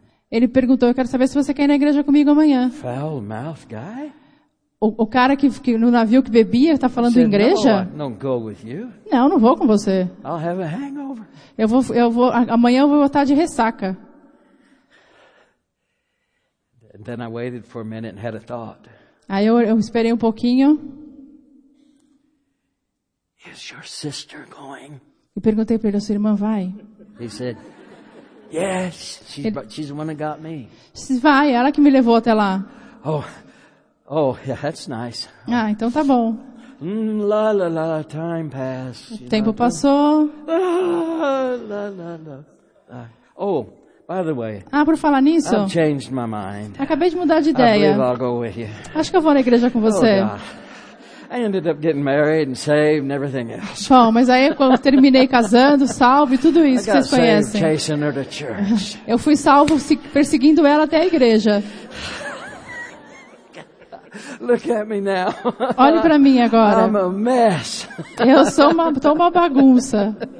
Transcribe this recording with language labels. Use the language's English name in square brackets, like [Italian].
[Portuguese] Ele perguntou, eu quero saber se você quer ir na igreja comigo amanhã. [English] Foul mouth guy? [Portuguese] O cara que no navio que bebia está falando [English] said, [Portuguese] igreja? [English] No, don't go with you. [Portuguese] Não, não vou com você. [English] I'll have a hangover. [Portuguese] Eu vou, amanhã eu vou estar de ressaca. [English] Then I waited for a minute and had a thought. [Portuguese] Aí eu esperei um pouquinho. [English] Is your sister going? [Portuguese] E perguntei para ele, a sua irmã vai? [English] He said, yes, she's the one that got me. [Portuguese] Vai, ela que me levou até lá. [English] Oh. Oh, yeah, that's nice. [Portuguese] Ah, então tá bom. [English] La la la, time passed. [Portuguese] O tempo passou. [English] La la la. Oh, by the way. [Portuguese] Ah, por falar nisso. [English] I've changed my mind. [Portuguese] Acabei de mudar de ideia. [English] I believe I'll go with you. [Portuguese] Acho que eu vou na igreja com você. [English] Oh, I ended up getting married and saved and everything else. [Portuguese] Bom, mas aí eu terminei casando, salvo e tudo isso que vocês conhecem. [English] Chasing her to church. [Portuguese] Eu fui salvo perseguindo ela até a igreja. [English] Look at me now. [Portuguese] Olhe para mim agora. [English] I'm a mess. [Portuguese] Eu sou uma bagunça.